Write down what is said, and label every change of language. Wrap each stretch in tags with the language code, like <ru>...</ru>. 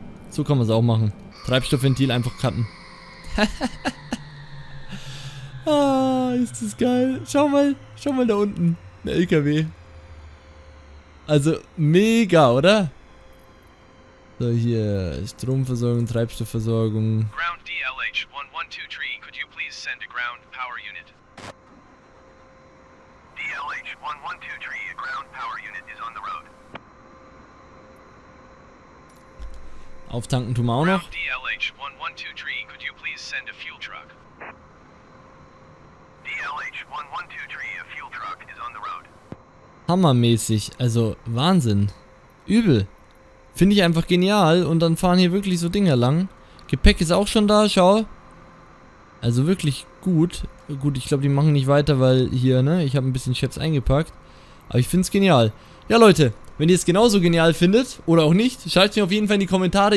<de>So kann man es auch machen. Treibstoffventil einfach cutten. Ah, ist das geil. Schau mal da unten. Der LKW. Also, mega, oder? So, hier, Stromversorgung, Treibstoffversorgung.</de> <en>Ground DLH 1123, could you please send a ground power unit? DLH 1123, a ground power unit is on the road.</en> <de>Auftanken tun wir auch noch.</de> <en>Ground DLH 1123, could you please send a fuel truck? DLH 1123, a fuel truck is on the road.</en> <de>Hammermäßig, also Wahnsinn. Übel. Finde ich einfach genial und dann fahren hier wirklich so Dinger lang. Gepäck ist auch schon da, schau. Also wirklich gut. Gut, ich glaube, die machen nicht weiter, weil hier, ne, ich habe ein bisschen Chefs eingepackt. Aber ich finde es genial. Ja, Leute, wenn ihr es genauso genial findet oder auch nicht, schreibt mir auf jeden Fall in die Kommentare.</de>